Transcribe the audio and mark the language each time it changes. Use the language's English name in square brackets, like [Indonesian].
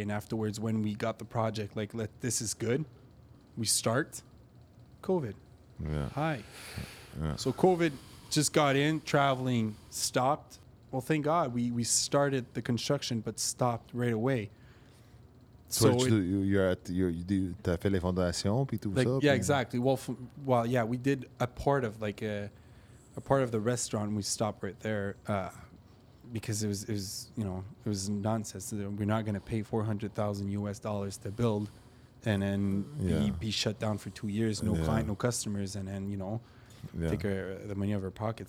[English] And afterwards, when we got the project, like, this is good, we start COVID. Yeah. Hi. Yeah. So COVID just got in, traveling stopped. Well, thank God we started the construction, but stopped right away. So you [French] fait les fondations, puis tout [English] like, [French] ça. [English] Yeah, exactly. Well, we did a part of the restaurant. We stopped right there. because it was you know, it was nonsense. We're not going to pay $400,000 to build and then be shut down for 2 years, no client, no customers, and then, you know, take the money out of our pocket.